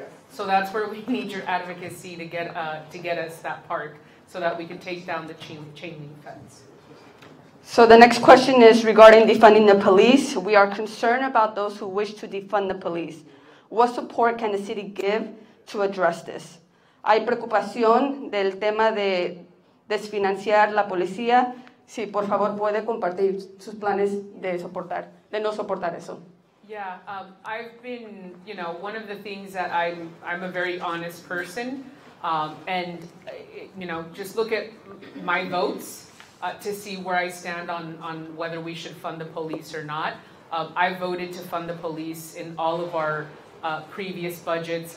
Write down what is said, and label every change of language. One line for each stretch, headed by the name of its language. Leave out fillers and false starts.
English: So that's where we need your advocacy to get us that park so that we can take down the chain link fence. So the next question is regarding defunding the police. We are concerned about those who wish to defund the police. What support can the city give to address this?
Spanish: Hay preocupación del tema de desfinanciar la policía. Si, por favor, puede compartir sus planes de no soportar eso.
English: Yeah, I've been, you know, one of the things that I'm a very honest person, and, you know, just look at my votes to see where I stand on whether we should fund the police or not. I voted to fund the police in all of our previous budgets.